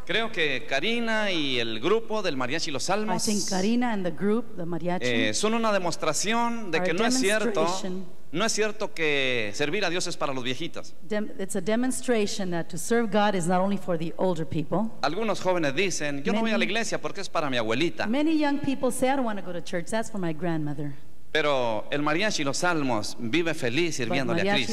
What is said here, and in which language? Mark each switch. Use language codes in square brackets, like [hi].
[es] Creo que Karina y el grupo del Mariachi Los Salmos, [en] I think Karina and the group, the Mariachi, [es] son una demostración de que no es cierto que servir a Dios es para los viejitos. [en] It's a demonstration that to serve God is not only for the older people. [es] Algunos jóvenes dicen, yo no voy a la iglesia porque es para mi abuelita. [en] Many young people say, I don't want to go to church, that's for my grandmother. [es] Pero el Mariachi Los Salmos vive feliz sirviéndole a Cristo.